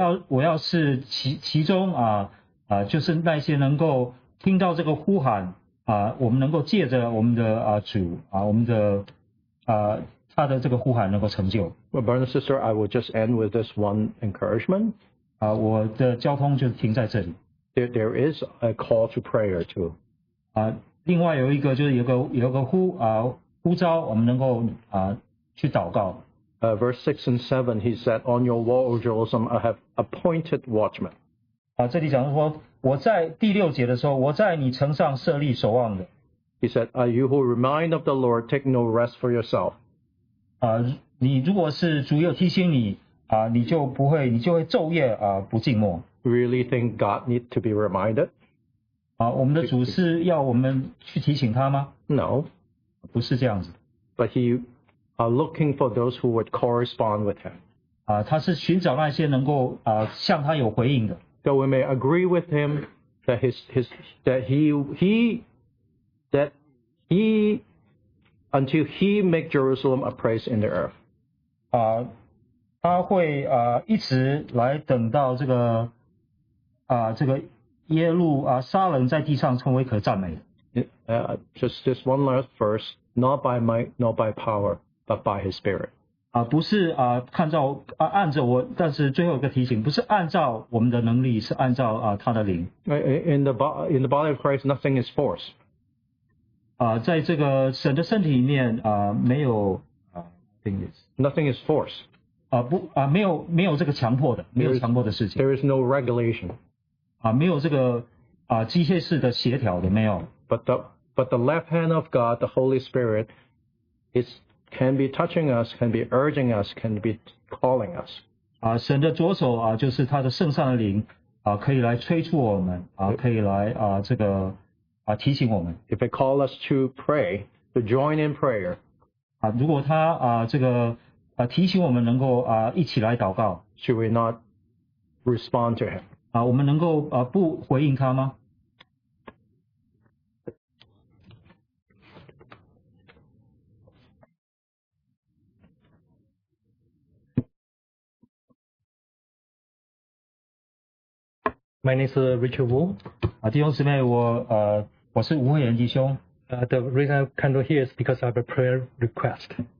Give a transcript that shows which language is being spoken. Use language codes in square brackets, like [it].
[zh] 我要是其中就是那些能够听到这个呼喊我们能够借着我们的主我们的他的这个呼喊能够成就。 [en] Well, brother and sister, I will just end with this one encouragement. [zh] 我的交通就停在这里。 [en] There is a call to prayer too. [zh] 另外有一个就是有个呼召我们能够去祷告。 [en] Verse 6 and 7, he said, On your wall, O Jerusalem, I have appointed watchmen. [zh] 这里讲说我在第六节的时候我在你城上设立守望的。 [en] He said, you who remind of the Lord, take no rest for yourself. [zh] 你如果是主又提醒你你就不会你就会昼夜不静默。 [en] Really think God needs to be reminded? [zh] 我们的主是要我们去提醒他吗 [en] ？No， [zh] 不是这样子。 [en] But he looking for those who would correspond with him。 [zh] 他是寻找那些能够向他有回应的。 [en] So we may agree with him that he until he make Jerusalem a praise in the earth。 [zh] 他会一直来等到这个这个。耶路撒冷在地上成为可赞美。 [en] Just this one last verse, not by might, not by power, but by His Spirit. [zh] 不是看照按着我，但是最后一个提醒，不是按照我们的能力，是按照他的灵。 [en] In the body of Christ, nothing is force. [zh] 在这个神的身体里面没有 [en] Nothing is force. [zh] 没有这个强迫的，没有强迫的事情。 [en] There is no regulation. [zh] 没有这个机械式的协调的没有。 [en] But the But the left hand of God, the Holy Spirit, is can be touching us, can be urging us, can be calling us. [zh] 神的左手就是他的圣上的灵可以来催促我们可以来提醒我们 [en] If they call us to pray, to join in prayer, [zh] 如果他提醒我们能够一起来祷告 [en] Should we not respond to him? [zh] 我们能够不回应他吗? [en] My name is Richard Wu. [zh] 弟兄姊妹，我是吴慧仁弟兄。 [en] The reason I come to here is because I have a prayer request.